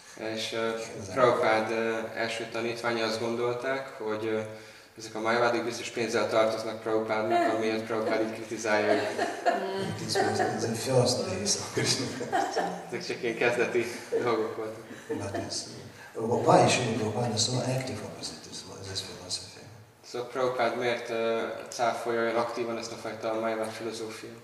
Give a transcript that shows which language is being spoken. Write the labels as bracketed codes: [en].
[hu] És Prabhupád első tanítványa azt gondolták, hogy ezek a Mayavadik biztos pénzzel tartoznak Prabhupádnak, amiért Prabhupád így kritizálja. Ezek csak ilyen kezdeti dolgok voltak. [en] Why is Prabhupada so active opposite this, this philosophy? [hu] So Prabhupada, miért cáfolja olyan aktívan ezt a fajta Mayavada filozófia?